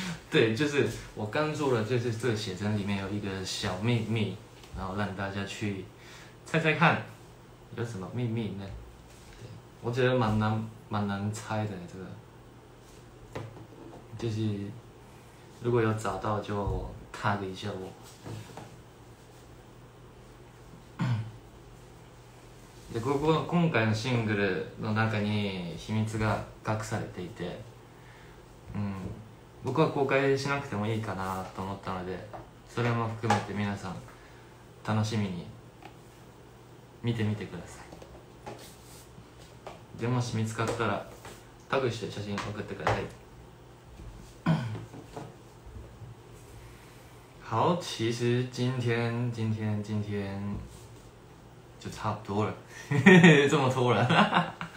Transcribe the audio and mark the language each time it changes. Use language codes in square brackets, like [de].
[zh] 对，就是我刚做的，就是这个写真里面有一个小秘密，然后让大家去猜猜看，有什么秘密呢？我觉得蛮难猜的这个，就是如果有找到就 tag 一下我。 [ja] でここ今回のシングルの中に秘密が隠されていて、僕は公開しなくてもいいかなと思ったので、それも含めて皆さん楽しみに見てみてください。でもし見つかったらタグして写真送ってください。 [zh] 好，其实今天就差不多了，这么突然。